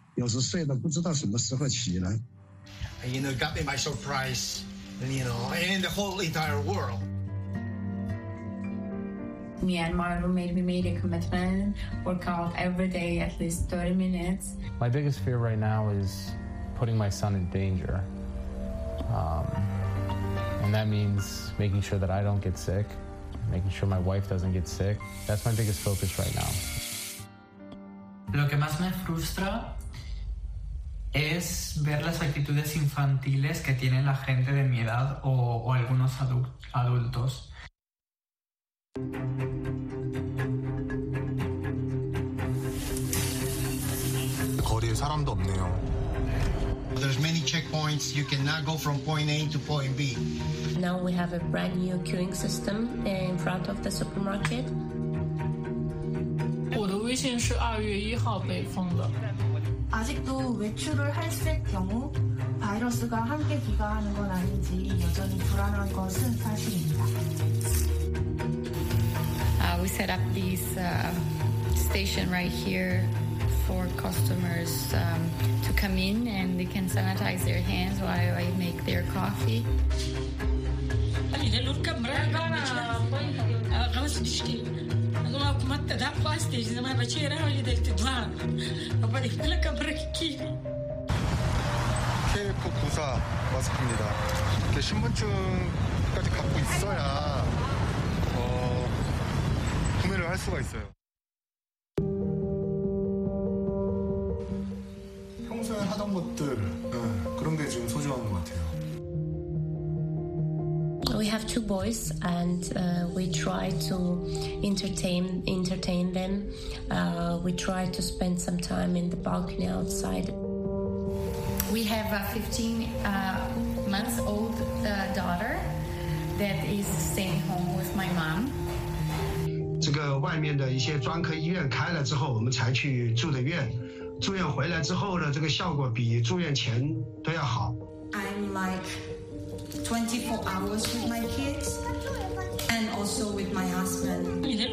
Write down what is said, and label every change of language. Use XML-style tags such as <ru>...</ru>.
<zh>有时每天只吃两餐，有时吃三餐，有时睡得不知道什么时候起来。</zh> <en>And, you know, it got me by surprise, and, you know, and the whole entire world. Myanmar roommate, we made a commitment, work out every day at least 30 minutes. My biggest fear right now is putting my son in danger. And that means making sure that I don't get sick, making sure my wife doesn't get sick. That's my biggest focus right now.</en> <es>Lo que más me frustra es ver las actitudes infantiles que tiene la gente de mi edad o algunos adultos.</es> <en>There's many checkpoints. You cannot go from point A to point B. Now we have a brand new queuing system in front of the supermarket.</en> <zh>我的微信是2月1号被封的。</zh> <ko>아직도 외출을 할 수 있을 경우 바이러스가 함께 귀가하는 건 아닌지 여전히 불안한 것은 사실입니다.</ko> <en>We set up this station right here for customers to come in and they can sanitize their hands while I make their coffee.</en> <ko>아니, 내 룰 깜라. 가만있어, 지식이. 94 마스크입니다. 신분증까지 갖고 있어야 구매를 할 수가 있어요. 평소에 하던 것들 그런 게 지금 소중한 것 같아요.</ko> <en>We have two boys, and we try to entertain them. We try to spend some time in the balcony outside. We have a 15-month-old daughter that is staying home with my mom.</en> <zh>这个外面的一些专科医院开了之后，我们才去住的院。住院回来之后呢，这个效果比住院前都要好。</zh> <en>I'm like 24 hours with my kids and also with my husband.</en>